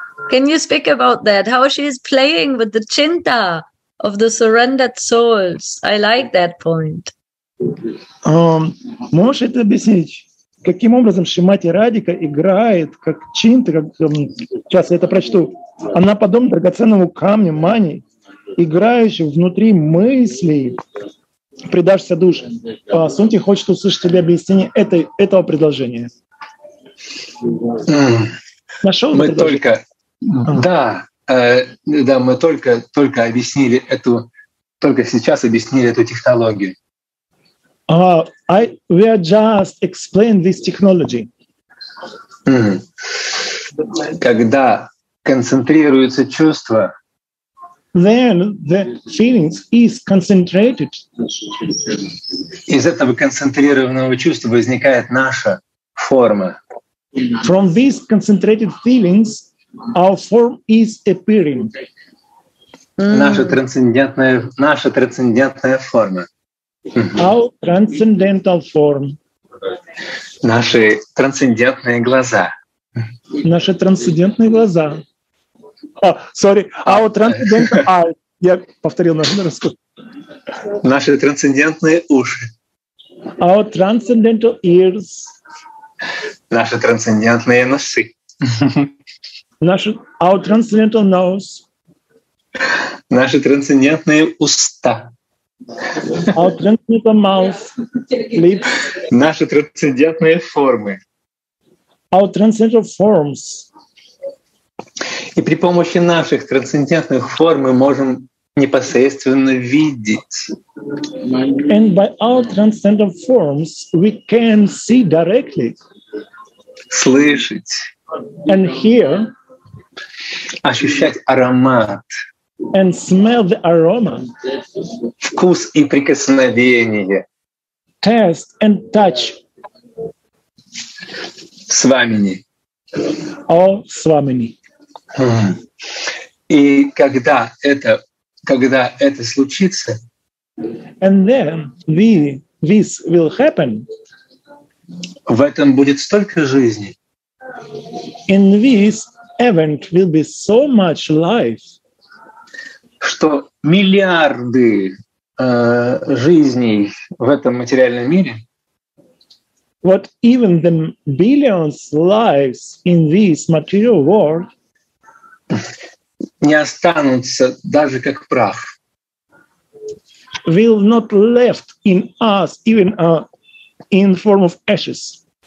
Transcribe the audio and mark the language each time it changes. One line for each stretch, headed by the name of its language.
English: Can you speak about that? How she is playing with the chinta of the surrendered souls? I like that point.
Russian: Можешь это объяснить? Каким образом Шримати Радика играет как чинта, как сейчас я это прочту? Она подобна драгоценному камню мани, играющему внутри мыслей, предавшихся душе. Сунти хочет услышать тебе объяснение этого предложения. Нашел мы только, мы только объяснили эту, только сейчас объяснили эту технологию.
English: We are just explaining this technology.
Russian: Когда концентрируется чувство,
English: then the feelings is concentrated.
Russian: Из этого концентрированного чувства возникает наша форма.
English: From these concentrated feelings, our form is appearing.
Russian: Наша трансцендентная форма.
English: Our transcendental form.
Russian: Наши трансцендентные глаза. Наши трансцендентные глаза.
English: Our transcendental eyes.
Russian: Я повторил нашу нарушку. Наши трансцендентные уши.
English: Our transcendental ears.
Russian: Наши трансцендентные носы.
English: Our transcendental nose.
Russian: Наши трансцендентные уста.
English: Our transcendental mouth, lips.
Russian: Наши трансцендентные формы.
English: Our transcendental forms.
Russian: И при помощи наших трансцендентных форм мы можем непосредственно видеть.
English: And by our transcendental forms we can see directly.
Russian: Слышать.
English: And hear.
Russian: Ощущать аромат.
English: And smell the aroma.
Russian: Вкус и прикосновение.
English: Taste and touch.
Russian: Свамини. О, свамини. И когда это случится,
English: and then this will happen,
Russian: в этом будет столько жизни.
English: In this event will be so much life,
Russian: что миллиарды жизней в этом материальном мире,
English: what even the billions lives in this material world,
Russian: не останутся даже как прах,
English: will not left in us even in form of ashes,